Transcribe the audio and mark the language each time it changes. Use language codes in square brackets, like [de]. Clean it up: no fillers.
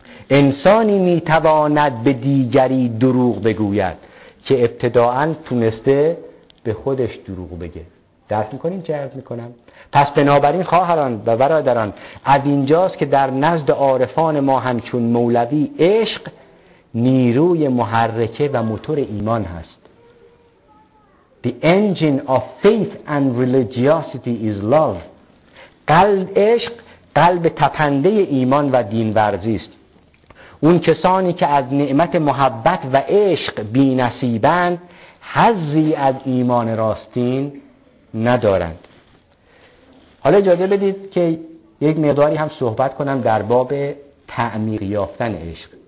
[fa] انسانی می تواند به دیگری دروغ بگوید که ابتداعا تونسته به خودش دروغ بگه. درک میکنین چه عرض میکنم؟ پس بنابراین خواهران و برادران، از اینجاست که در نزد عارفان ما همچون مولوی، عشق نیروی محرکه و موتور ایمان هست. [en] The engine of faith and religiosity is love. [fa] قلب عشق قلب تپنده ایمان و دینورزی است. اون کسانی که از نعمت محبت و عشق بی نصیبند، حظی از ایمان راستین ندارند. حالا اجازه بدید که یک مقداری هم صحبت کنم در باب تعمیق یافتن عشق.